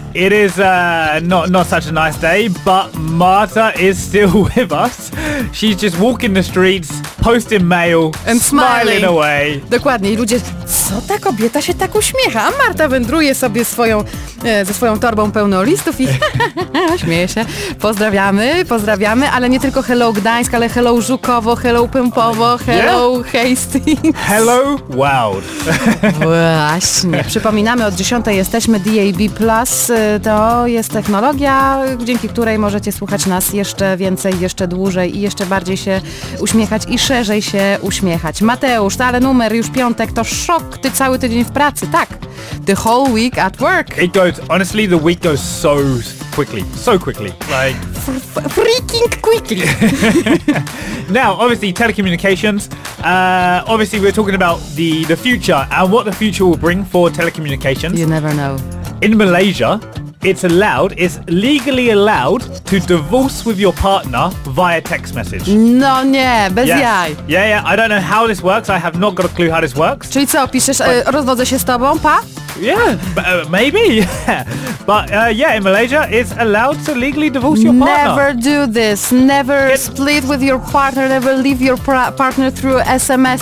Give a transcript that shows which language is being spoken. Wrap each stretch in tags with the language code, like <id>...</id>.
<en>It is not such a nice day, but Marta is still with us. She's just walking the streets, posting mail, and smiling away.</en> <pl>Dokładnie. I ludzie, co ta kobieta się tak uśmiecha? A Marta wędruje sobie ze swoją torbą pełną listów i śmieje się. Pozdrawiamy, ale nie tylko hello Gdańsk, ale hello Żukowo, hello Pępowo, hello Hastings.</pl> <en>Hello world.</en> <pl>Właśnie. Przypominamy, od 10 jesteśmy DAB+. To jest technologia, dzięki której możecie słuchać nas jeszcze więcej, jeszcze dłużej i jeszcze bardziej się uśmiechać i szerzej się uśmiechać. Mateusz, ale numer już piątek, to szok, ty cały tydzień w pracy, tak.</pl> <en>The whole week at work. It goes, honestly, the week goes so quickly. Like freaking quickly. Now, obviously, telecommunications. Obviously, we're talking about the future and what the future will bring for telecommunications. You never know. In Malaysia, it's legally allowed to divorce with your partner via text message.</en> <pl>No nie, bez jaj.</pl> <en>Yeah, yeah, I don't know how this works. I have not got a clue how this works.</en> <pl>Czyli co, piszesz, rozwodzę się z tobą, pa?</pl> <en>Yeah, maybe, yeah. But yeah, in Malaysia, it's allowed to legally divorce your partner. Never do this. Never split with your partner. Never leave your partner through SMS.</en>